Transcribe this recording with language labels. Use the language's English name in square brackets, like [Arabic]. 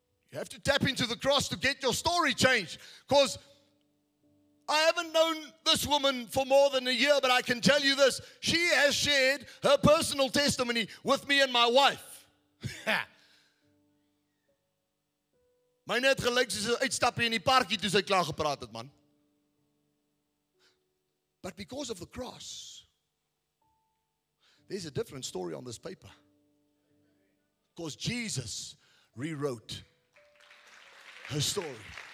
[English] You have to tap into the cross to get your story changed. Because I haven't known this woman for more than a year, but I can tell you this. She has shared her personal testimony with me and my wife. [Afrikaans] My net gelyk is 'n uitstapie in die parkie toe sy klaar gepraat het, man. [English] But because of the cross, there's a different story on this paper. Because Jesus rewrote her story.